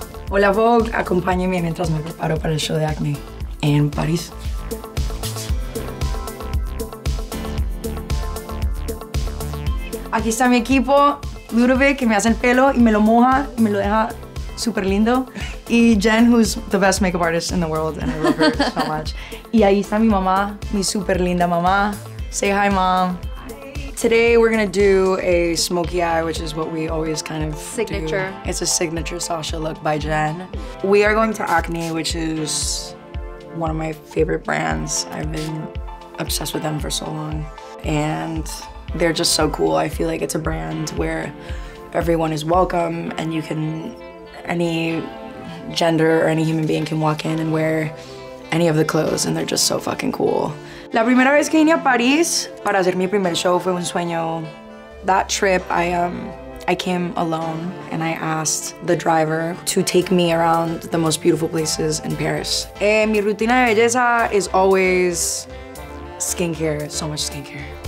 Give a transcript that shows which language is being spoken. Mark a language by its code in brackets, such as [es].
[es] Hola Vogue, acompáñame mientras me preparo para el show de Acne en París. Aquí está mi equipo, Ludovic, que me hace el pelo y me lo moja y me lo deja súper lindo. Y [en] Jen, who's the best makeup artist in the world, and I love her so much. [es] Y ahí está mi mamá, mi súper linda mamá. [en] Say hi, mom. Today we're gonna do a smoky eye, which is what we always kind of signature. Do. It's a signature Sasha look by Jen. We are going to Acne, which is one of my favorite brands. I've been obsessed with them for so long. And they're just so cool. I feel like it's a brand where everyone is welcome and you can, any gender or any human being can walk in and wear any of the clothes and they're just so fucking cool. [es] La primera vez que vine a París para hacer mi primer show fue un sueño. [en] That trip, I came alone and I asked the driver to take me around the most beautiful places in Paris. [es] Mi rutina de belleza [en] is always skincare, so much skincare.